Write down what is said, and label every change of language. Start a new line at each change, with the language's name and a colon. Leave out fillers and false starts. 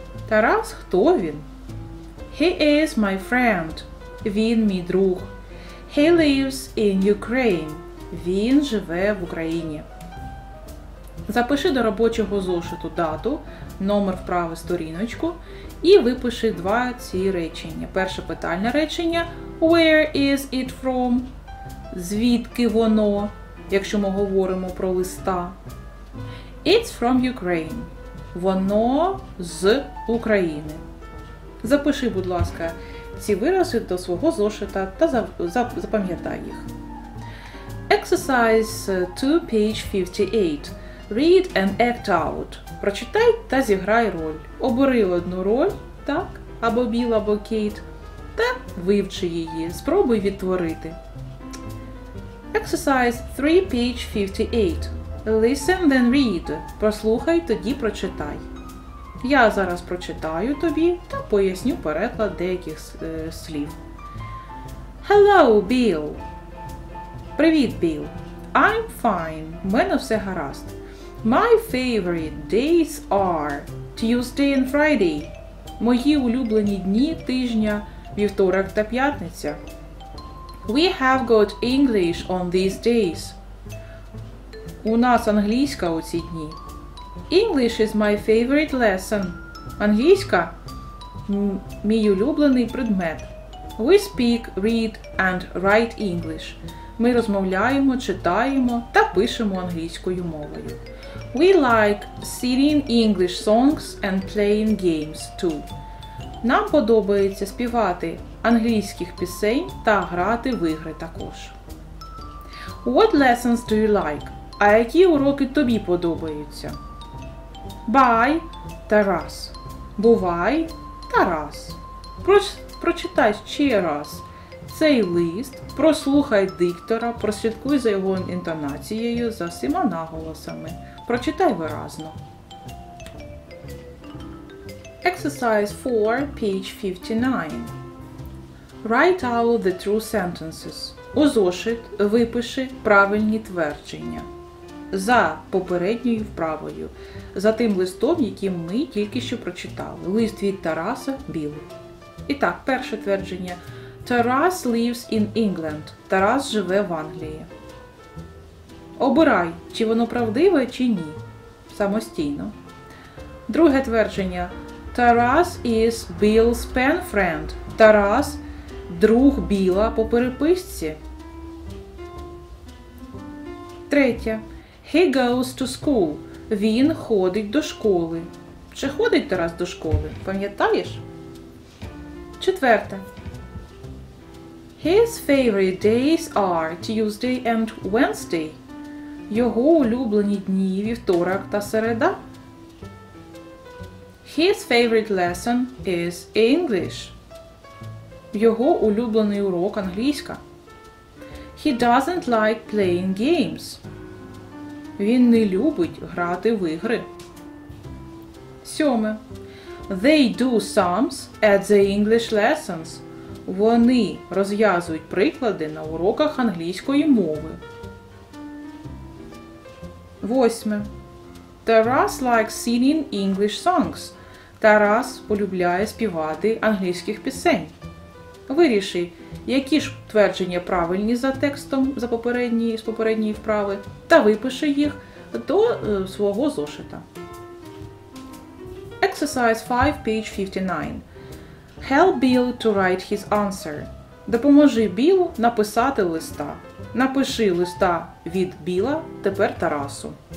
Ukrainian: Тарас, хто він?
English: He is my friend.
Ukrainian: Він мій друг.
English: He lives in Ukraine.
Ukrainian: Він живе в Україні. Запиши до робочого зошиту дату, номер вправи сторіночку і випиши два ці речення.
English: Перше питальне речення – Where is it from?
Ukrainian: Звідки воно, якщо ми говоримо про листа?
English: It's from Ukraine.
Ukrainian: Воно з України. Запиши, будь ласка, ці вираси до свого зошита та запам'ятай їх.
English: Exercise 2, page 58. Read and act out.
Ukrainian: Прочитай та зіграй роль. Обери одну роль, так, або Біл, або Кейт, та вивчи її. Спробуй відтворити.
English: Exercise 3, page 58. Listen, then read.
Ukrainian: Прослухай, тоді прочитай. Я зараз прочитаю тобі та поясню переклад деяких слів.
English: Hello, Біл.
Ukrainian: Привіт, Біл.
English: I'm fine.
Ukrainian: У мене все гаразд.
English: My favorite days are Tuesday and Friday.
Ukrainian: Мої улюблені дні тижня – вівторок та п'ятниця.
English: We have got English on these days.
Ukrainian: У нас англійська у ці дні.
English: English is my favorite lesson.
Ukrainian: Англійська – мій улюблений предмет.
English: We speak, read and write English.
Ukrainian: Ми розмовляємо, читаємо та пишемо англійською мовою.
English: We like singing English songs and playing games too.
Ukrainian: Нам подобається співати англійських пісень та грати в ігри також.
English: What lessons do you like?
Ukrainian: А які уроки тобі подобаються?
English: Bye, Taras.
Ukrainian: Бувай, Тарас. Прочитай ще раз цей лист, прослухай диктора, прослідкуй за його інтонацією, за всіма наголосами. Прочитай виразно.
English: Exercise 4, page 59. Write out the true sentences.
Ukrainian: У зошит випиши правильні твердження. За попередньою вправою. За тим листом, який ми тільки що прочитали. Лист від Тараса Білу. І так, перше твердження.
English: Taras lives in England.
Ukrainian: Тарас живе в Англії. Обирай, чи воно правдиве, чи ні. Самостійно. Друге твердження.
English: Taras is Bill's pen friend.
Ukrainian: Тарас – друг Біла по переписці. Третє.
English: He goes to school.
Ukrainian: Він ходить до школи. Чи ходить Тарас до школи? Пам'ятаєш? Четверте.
English: His favorite days are Tuesday and Wednesday.
Ukrainian: Його улюблені дні – вівторок та середа.
English: His favorite lesson is English.
Ukrainian: Його улюблений урок – англійська.
English: He doesn't like playing games.
Ukrainian: Він не любить грати в ігри. Сьоме.
English: They do sums at the English lessons.
Ukrainian: Вони розв'язують приклади на уроках англійської мови. Восьме.
English: Taras likes singing English songs.
Ukrainian: Тарас полюбляє співати англійських пісень. Виріши, які ж твердження правильні за текстом з попередньої вправи, та випиши їх до свого зошита.
English: Exercise 5, page 59. Help Bill to write his answer.
Ukrainian: Допоможи Білу написати листа. Напиши листа від Біла тепер Тарасу.